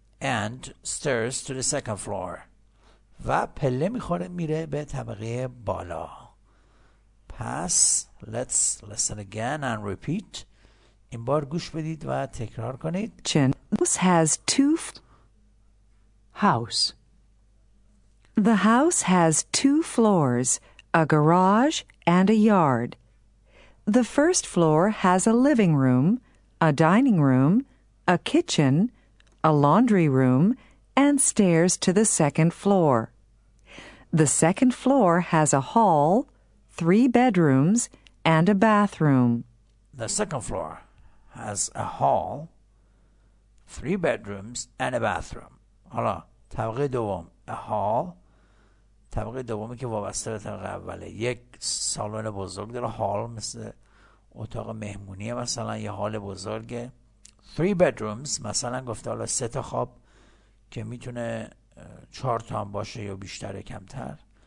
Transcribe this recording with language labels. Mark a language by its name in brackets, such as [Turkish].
[English] And stairs to the second floor. [Persian] و پله میخوره میره به طبقه بالا. [English] پس let's listen again and repeat. [Persian] این بار گوش بدید و تکرار کنید. [English] Kitchen. This has two house. The house has two floors, a garage and a yard. The first floor has a living room, a dining room, a kitchen, a laundry room, and stairs to the second floor. The second floor has a hall, three bedrooms, and a bathroom. The second floor has a hall, three bedrooms and a bathroom. [Persian] حالا طبقه دوم a hall، طبقه دومی که وابسته به طبقه اوله، یک سالن بزرگ داره، hall مثل اتاق مهمونیه مثلا، یه hall بزرگه. three bedrooms مثلا گفته حالا سه تا خواب که میتونه چهار تا هم باشه یا بیشتر یا کمتر.